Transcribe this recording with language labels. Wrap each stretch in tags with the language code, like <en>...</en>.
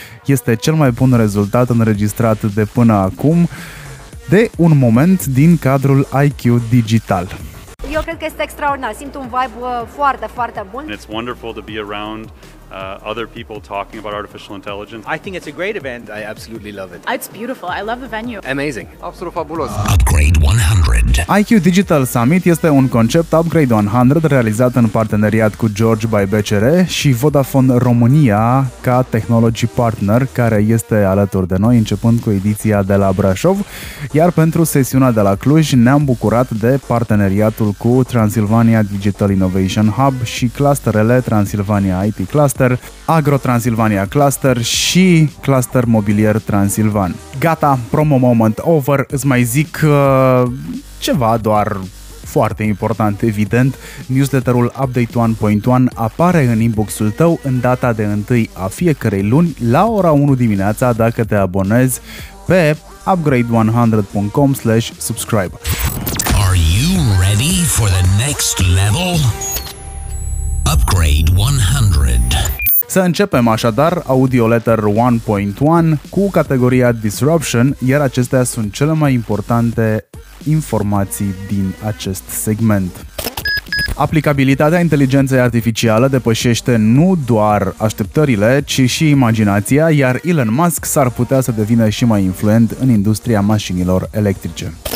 <ro>Este cel mai bun rezultat înregistrat de până acum de un moment din cadrul IQ Digital. Eu cred că este extraordinar. Simt un vibe foarte, foarte bun.</ro> <en>It's wonderful to be around other people talking about artificial intelligence. I think it's a great event. I absolutely love it. It's beautiful. I love the venue. Amazing.</en> <ro>Absolut fabulos. Upgrade 100. IQ Digital Summit este un concept Upgrade 100 realizat în parteneriat cu George by BCR și Vodafone România ca</ro> <en>technology partner,</en> <ro>care este alături de noi începând cu ediția de la Brașov. Iar pentru sesiunea de la Cluj ne-am bucurat de parteneriatul cu Transilvania Digital Innovation Hub și clusterele Transilvania IT Cluster, Cluster, Agro Transilvania Cluster și Cluster Mobilier Transilvan. Gata,</ro> <en>promo moment over,</en> <ro>îți mai zic ceva doar foarte important, evident. Newsletterul Update 1.1 apare în inbox-ul tău în data de 1 a fiecărei luni la ora 1 dimineața dacă te abonezi pe upgrade100.com/subscribe.</ro> <en>Are you ready for the next level? Upgrade 100.</en> <ro>Să începem așadar audioletter 1.1 cu categoria Disruption, iar acestea sunt cele mai importante informații din acest segment. Aplicabilitatea inteligenței artificiale depășește nu doar așteptările, ci și imaginația, iar Elon Musk s-ar putea să devină și mai influent în industria mașinilor electrice.</ro>